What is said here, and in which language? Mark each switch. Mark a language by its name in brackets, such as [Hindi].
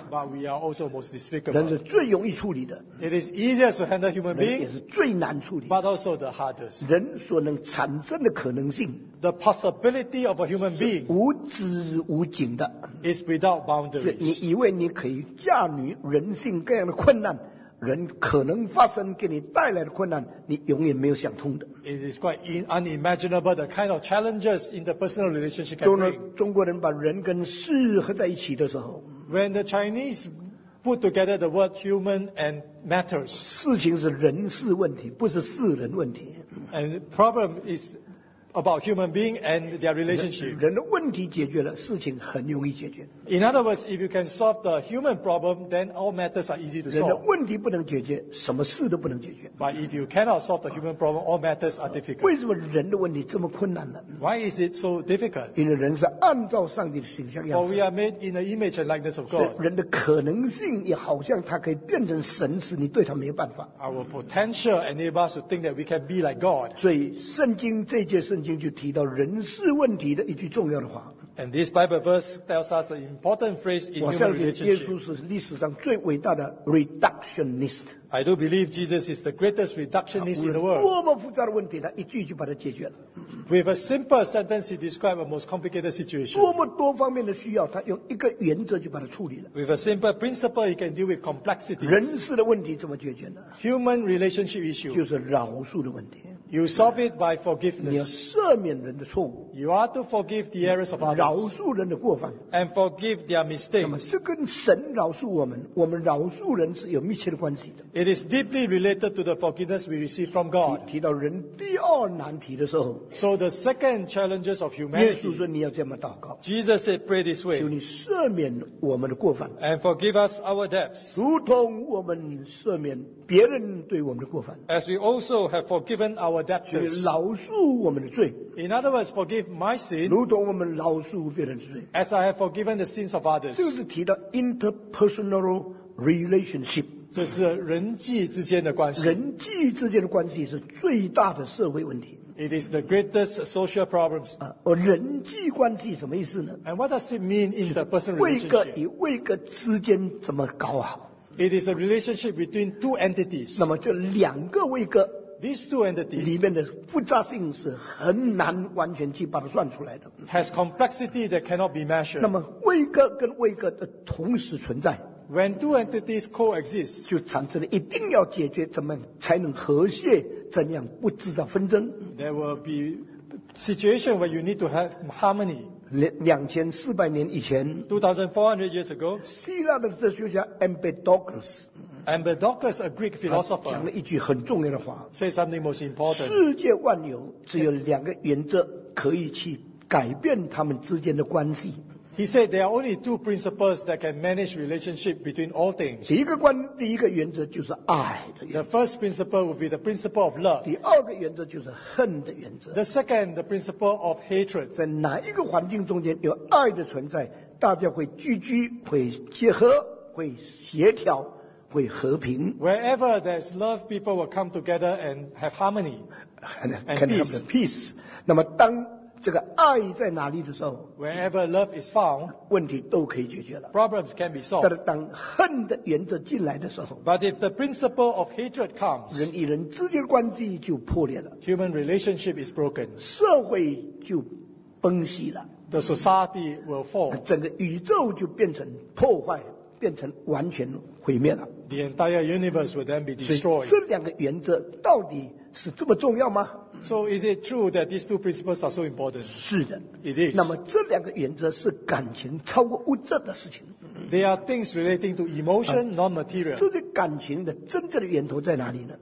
[English] But we are also most despicable. [Chinese] 人是最容易处理的。 [English] It is easier to handle human beings. [Chinese] 人也是最难处理。 [English] But also the hardest. [Chinese] 人所能产生的可能性。 [English] The possibility of a human being [Chinese] 无止无尽的 [English] is without boundaries. [Chinese] 你以为你可以驾驭人性各样的困难，人可能发生给你带来的困难，你永远没有想通的。 [English] It is quite unimaginable the kind of challenges in the personal relationship can bring. [Chinese] 中国人把人跟事合在一起的时候 [English] ，When the Chinese put together the word human and matters, [Chinese] 事情是人事问题，不是事人问题。 [English] And problem is about human being and their relationship. [Chinese] 人的问题解决了，事情很容易解决。 [English] In other words, if you can solve the human problem, then all matters are easy to solve. [Chinese] 人的问题不能解决，什么事都不能解决。 [English] But if you cannot solve the human problem, all matters are difficult. [Chinese] 为什么人的问题这么困难呢？ [English] Why is it so difficult? [Chinese] 因为人是按照上帝的形象样式。 [English] For we are made in the image and likeness of God. [Chinese] 人的可能性也好像他可以变成神，使你对他没有办法。 [English] Our potential enables us to think that we can be like God. [Chinese] 所以圣经这节圣经就提到人事问题的一句重要的话。 [English] And this Bible verse tells us an important phrase in human relationship. [Chinese] 我相信耶稣是历史上最伟大的 reductionist. [English] I do believe Jesus is the greatest reductionist in the world. [Chinese] 多么复杂的问题，他一句就把它解决了。 [English] With a simple sentence, he described a most complicated situation. [Chinese] 多么多方面的需要，他用一个原则就把它处理了。 [English] With a simple principle, he can deal with complexities. [Chinese] 人事的问题怎么解决呢？ [English] Human relationship issue. [Chinese] 就是饶恕的问题。 [English] You solve it by forgiveness. [Chinese] 你要赦免人的错误。 [English] You are to forgive the errors of others. [Chinese] 饶恕人的过犯。 [English] And forgive their mistakes. [Chinese] 那么是跟神饶恕我们，我们饶恕人是有密切的关系的。 [English] It is deeply related to the forgiveness we receive from God. [Chinese] 提到人第二难题的时候。 [English] So the second challenges of humanity. [Chinese] 耶稣说你要这么祷告。 [English] Jesus said, pray this way. [Chinese] 求你赦免我们的过犯。 [English] And forgive us our debts. [Chinese] 如同我们赦免别人对我们的过犯。 [English] As we also have forgiven our debtors. [Chinese] 去饶恕我们的罪。 [English] In other words, forgive my sin. [Chinese] 如同我们饶恕别人的罪。 [English] As I have forgiven the sins of others. [Chinese] 就是提到 interpersonal relationship. 这是人际之间的关系。人际之间的关系是最大的社会问题。 [English] It is the greatest social problems. [Chinese] 人际关系什么意思呢？ [English] And what does it mean in the personal relationship? [Chinese] 位格与位格之间怎么搞好？ [English] It is a relationship between two entities. [Chinese] 那么这两个位格， [English] these two entities [Chinese] 里面的复杂性是很难完全去把它算出来的。 [English] Has complexity that cannot be measured. [Chinese] 那么位格跟位格的同时存在， [English] when two entities coexist, [Chinese] 就产生了一定要解决怎么才能和谐，怎样不制造纷争。 [English] There will be situation where you need to have harmony. [Chinese] 2400年以前， [English] 2400 years ago, [Chinese] 希腊的哲学家 Empedocles, [English] Empedocles, a Greek philosopher, [Chinese] 讲了一句很重要的话， [English] say something most important. [Chinese] 世界万有只有两个原则可以去改变他们之间的关系。 [English] He said there are only two principles that can manage relationship between all things. [Chinese] 第一个原则就是爱的原则。 [English] The first principle would be the principle of love. [Chinese] 第二个原则就是恨的原则。 [English] The second, the principle of hatred. [Chinese] 在哪一个环境中间有爱的存在，大家会聚居，会结合，会协调，会和平。 [English] Wherever there's love, people will come together and have harmony. And can have peace. [Chinese] 那么当这个爱在哪里的时候， [English] Wherever love is found, [Chinese] 问题都可以解决了。 [English] Problems can be solved. [Chinese] 但是当恨的原则进来的时候， [English] But if the principle of hatred comes, [Chinese] 人与人之间的关系就破裂了。 [English] Human relationship is broken. [Chinese] 社会就崩析了。 [English] The society will fall. [Chinese] 整个宇宙就变成破坏，变成完全毁灭了。 [English] The entire universe will then be destroyed. [Chinese] 这两个原则到底是这么重要吗？ [English] So is it true that these two principles are so important? [Chinese] 是的。 [English] It is. [Chinese] 那么这两个原则是感情超过物质的事情。 [English] They are things relating to emotion, not material. [Chinese] 这些感情的真正的源头在哪里呢？